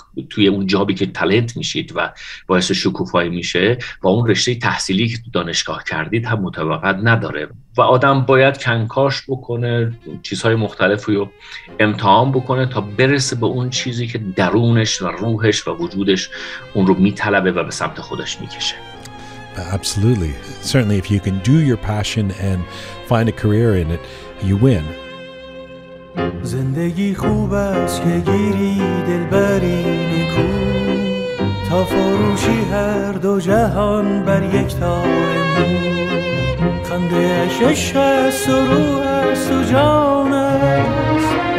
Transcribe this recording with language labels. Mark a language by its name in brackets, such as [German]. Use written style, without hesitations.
[Persian] توی اون جابی که تالنت میشید و باعث شکوفایی میشه با اون رشته تحصیلی که تو دانشگاه کردید هم مطابقت نداره و آدم باید کنکاش بکنه چیزهای مختلفی رو امتحان بکنه تا برسه به اون چیزی که درونش و روحش و وجودش اون رو میطلبه و به سمت خودش میکشه. [English] Absolutely. Certainly, if you can do your passion and find a career in it, you win. [Persian] زندگی خوب است که گیری دلبری نیکو تا فروشی هر دو جهان بر یک تار مو خنده اش عشق است و روح است و جان است